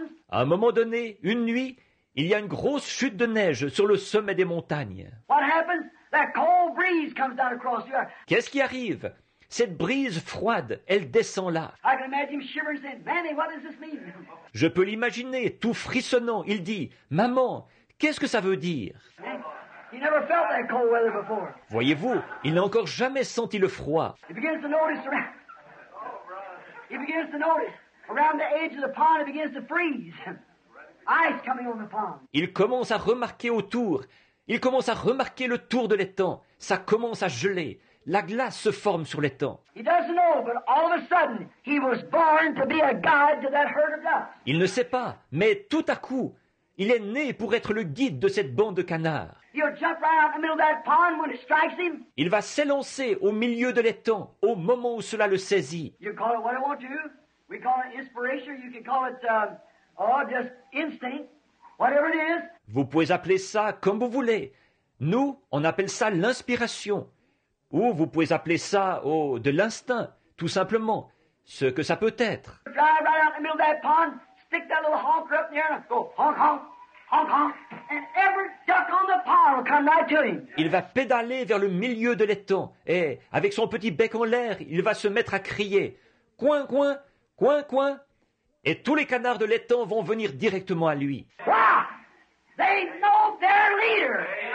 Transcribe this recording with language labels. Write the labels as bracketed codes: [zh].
[fr] À un moment donné, une nuit, il y a une grosse chute de neige sur le sommet des montagnes. [en] What happens? That cold breeze comes down across the earth. [fr] Qu'est-ce qui arrive? Cette brise froide, elle descend là. [en] I can imagine shivering saying, "Mammy, what does this mean?" [fr] Je peux l'imaginer, tout frissonnant, il dit, « Maman, qu'est-ce que ça veut dire ?» [en] He never felt that cold weather before. [fr] Voyez-vous, il n'a encore jamais senti le froid. [en] He begins to notice around, he begins to notice around the edge of the pond, it begins to freeze. Ice coming on the pond. [fr] Il commence à remarquer autour. Il commence à remarquer le tour de l'étang. Ça commence à geler. La glace se forme sur l'étang. [en] He doesn't know, but all of a sudden, he was born to be a guide to that herd of ducks. [fr] Il ne sait pas, mais tout à coup, il est né pour être le guide de cette bande de canards. [en] He'll jump right out in the middle of that pond when it strikes him. [fr] Il va s'élancer au milieu de l'étang au moment où cela le saisit. [en] You call it what I want to. We call it inspiration. You can call it just instinct. Whatever it is. [fr] Vous pouvez appeler ça comme vous voulez. Nous, on appelle ça l'inspiration. Ou vous pouvez appeler ça de l'instinct, tout simplement, ce que ça peut être. [en] Drive right out in the middle of that pond. Stick that little honker up in the air and go honk honk honk honk, and every duck on the pond will come right to him. [fr] Il va pédaler vers le milieu de l'étang et avec son petit bec en l'air, il va se mettre à crier coin coin coin coin, et tous les canards de l'étang vont venir directement à lui. [en] Wow! They know their leader.